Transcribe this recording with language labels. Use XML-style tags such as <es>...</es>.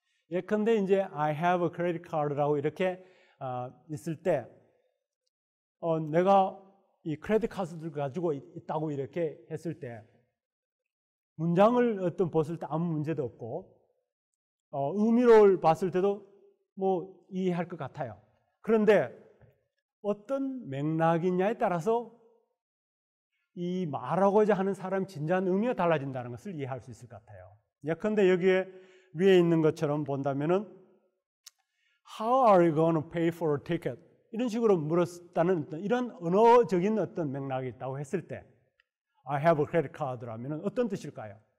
<ko>예컨대 이제</ko> <en>I have a credit card</en> <ko>라고 이렇게 있을 때 내가 이 credit card을 가지고 있다고 이렇게 했을 때 문장을 어떤 봤을 때 아무 문제도 없고 의미를 봤을 때도 뭐 이해할 것 같아요. 그런데 어떤 맥락이냐에 따라서 이 말하고자 하는 사람 진지한 의미가 달라진다는 것을 이해할 수 있을 것 같아요. 예컨대 여기에 위에 있는 것처럼 본다면은</ko> <en>How are you going to pay for a ticket?</en> <ko>이런 식으로 물었다는 어떤 이런 언어적인 어떤 맥락이 있다고 했을 때</ko> <en>I have a credit card</en> <ko>라면은 어떤 뜻일까요?</ko>